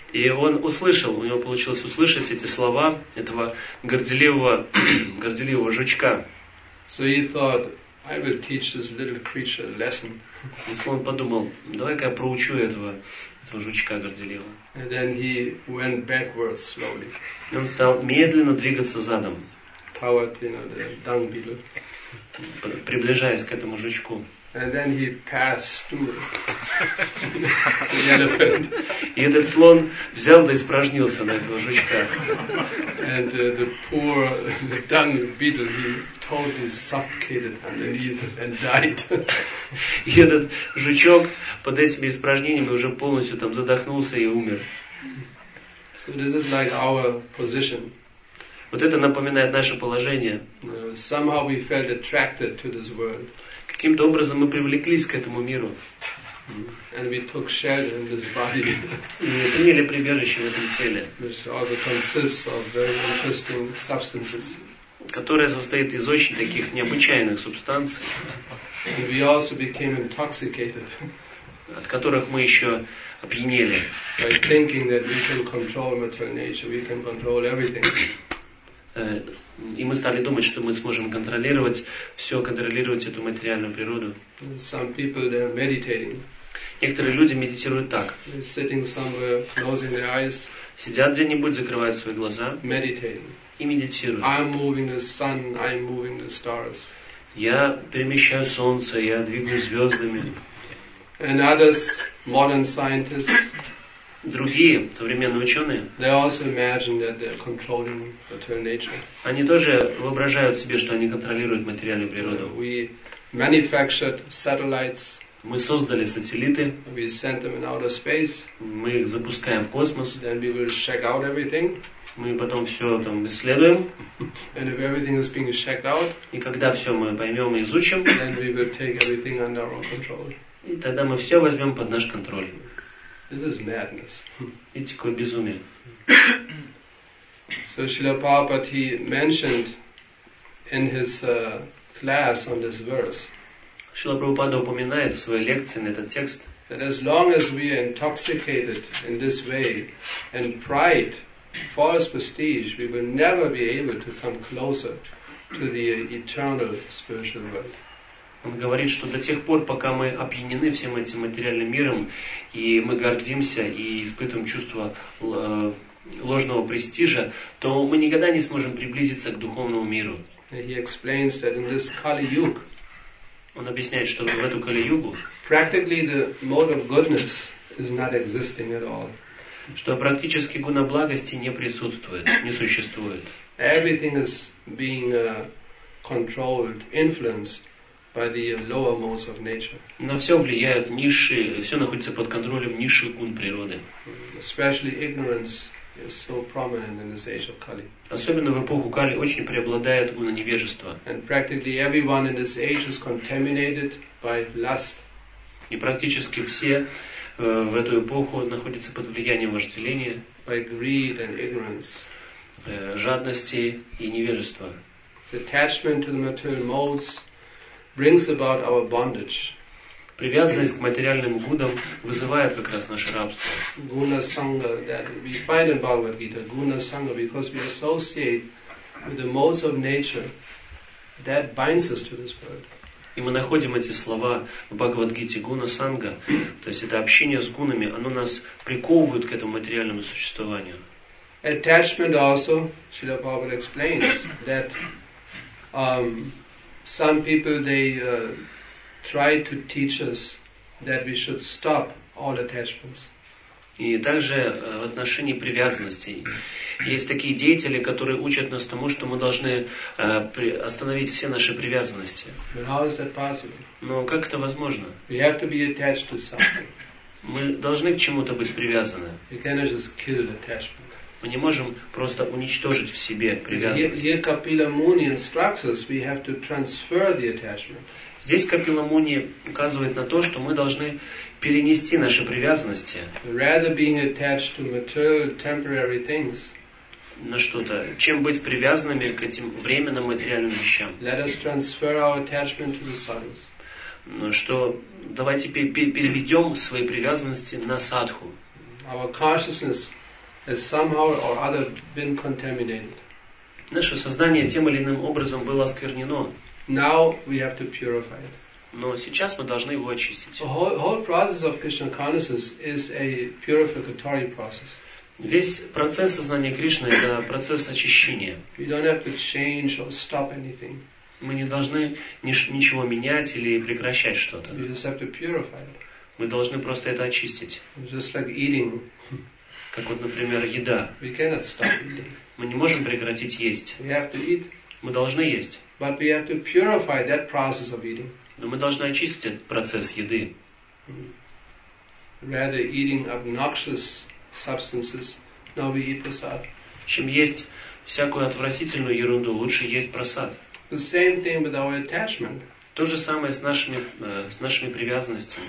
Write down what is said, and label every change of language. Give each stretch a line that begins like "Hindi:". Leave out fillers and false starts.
Russian: И он услышал, у него получилось услышать эти слова этого горделивого жучка.
English: So he thought, I will teach this little creature a lesson.
Russian: И он подумал, давай-ка я проучу этого жучка горделивого.
English: And then he went backwards slowly.
Russian: И он стал медленно двигаться задом.
English: Toward, you know, the dung beetle.
Russian: Приближаясь к этому жучку.
English: And then he passed through the elephant.
Russian: И этот слон взял да испражнился на этого жучка.
English: And the poor dung beetle, he totally suffocated underneath and died.
Russian: И этот жучок под этими испражнениями уже полностью там задохнулся и умер.
English: So this is like our position.
Russian: Вот это напоминает наше положение.
English: Somehow we felt attracted to this world.
Russian: Каким-то образом мы привлеклись к этому миру.
English: And we took shelter in this body.
Russian: И приняли прибежище в этом теле.
English: Which also consists of very interesting substances.
Russian: Которое состоит из очень таких необычайных субстанций.
English: And we also became intoxicated.
Russian: От которых мы еще опьянели.
English: By thinking that we can control material nature, we can control everything.
Russian: И мы стали думать, что мы сможем контролировать все, контролировать эту материальную природу.
English: Some people, they are meditating.
Russian: Некоторые люди медитируют так.
English: They're sitting somewhere, closing their eyes,
Russian: сидят где-нибудь, закрывают свои глаза
English: meditating.
Russian: И медитируют.
English: I'm moving the sun, I'm moving the stars.
Russian: Я перемещаю солнце, я двигаю звездами.
English: And others, modern scientists,
Russian: другие современные ученые,
English: they also imagine that they're controlling material nature.
Russian: Они тоже воображают себе, что они контролируют материальную природу.
English: We manufactured satellites.
Russian: Мы создали сателлиты.
English: We sent them in outer space.
Russian: Мы их запускаем в космос.
English: Then we will check out everything.
Russian: Мы потом все там исследуем.
English: And if everything is being checked out,
Russian: и когда все мы поймем и изучим,
English: then we will take everything under our control.
Russian: И тогда мы все возьмем под наш контроль.
English: This is madness.
Russian: Это какое безумие.
English: So Srila Prabhupada, he mentioned in his class on this verse.
Russian: Srila Prabhupada упоминает в своей лекции на этот текст.
English: That as long as we are intoxicated in this way, and pride, false prestige, we will never be able to come closer to the eternal spiritual world.
Russian: Он говорит, что до тех пор, пока мы опьянены всем этим материальным миром, и мы гордимся, и испытываем чувство ложного престижа, то мы никогда не сможем приблизиться к духовному миру.
English: He explains that in this Kali-yug,
Russian: он объясняет, что в эту Кали-югу
English: practically the mode of goodness is not existing at all.
Russian: Что практически гуна благости не присутствует, не существует.
English: Everything is being controlled, influenced by the lower modes of nature.
Russian: На все влияют низшие, все находится под контролем низших гун природы.
English: Especially ignorance is so prominent in this age of Kali.
Russian: Особенно в эпоху Кали очень преобладает гуна невежества.
English: And practically everyone in this age is contaminated by lust.
Russian: И практически все в эту эпоху находятся под влиянием вожделения,
English: by greed and ignorance,
Russian: жадности и невежества.
English: Attachment to the material modes brings about our bondage.
Russian: Привязанность к материальным гунам вызывает как раз наше рабство.
English: Guna sangha that we find in Bhagavad Gita, guna sangha, because we associate with the modes of nature that binds us to this world.
Russian: И мы находим эти слова в Бхагавад Гите, guna sangha, то есть это общение с гунами, оно нас приковывает к этому материальному существованию.
English: Attachment also, Srila Prabhupada explains that some people, they try to teach us that we should stop all attachments.
Russian: И также в отношении привязанностей. Есть такие деятели, которые учат нас тому, что мы должны остановить все наши привязанности.
English: But how is that possible?
Russian: Но как это возможно?
English: We have to be attached to something.
Russian: Мы должны к чему-то быть привязаны.
English: We cannot just kill the attachment.
Russian: Мы не можем просто уничтожить в себе привязанность.
English: Here Kapila Muni instructs us, we have to transfer the attachment.
Russian: Здесь Капила Муни указывает на то, что мы должны перенести наши привязанности.
English: Rather being attached to material, temporary things.
Russian: На что-то, чем быть привязанными к этим временным материальным вещам.
English: Let us transfer our attachment to the sadhus.
Russian: Ну что, давайте переведем свои привязанности на садху.
English: Our consciousness has somehow or other been contaminated.
Russian: Наше сознание тем или иным образом было осквернено.
English: Now we have to purify it.
Russian: Но сейчас мы должны его очистить.
English: The whole process of Krishna consciousness is a purificatory process.
Russian: Весь процесс сознания Кришны это процесс очищения.
English: We don't have to change or stop anything.
Russian: Мы не должны ничего менять или прекращать что-то.
English: We just have to purify it.
Russian: Мы должны просто это очистить.
English: Just like eating.
Russian: Как вот, например, еда.
English: We cannot stop eating.
Russian: Мы не можем прекратить есть.
English: We have to eat.
Russian: Мы должны есть.
English: But we have to purify that process of eating.
Russian: Но мы должны очистить этот процесс еды.
English: Rather eating obnoxious substances, now we eat prasad.
Russian: Чем есть всякую отвратительную ерунду, лучше есть прасад.
English: The same thing with our attachment.
Russian: То же самое с нашими привязанностями.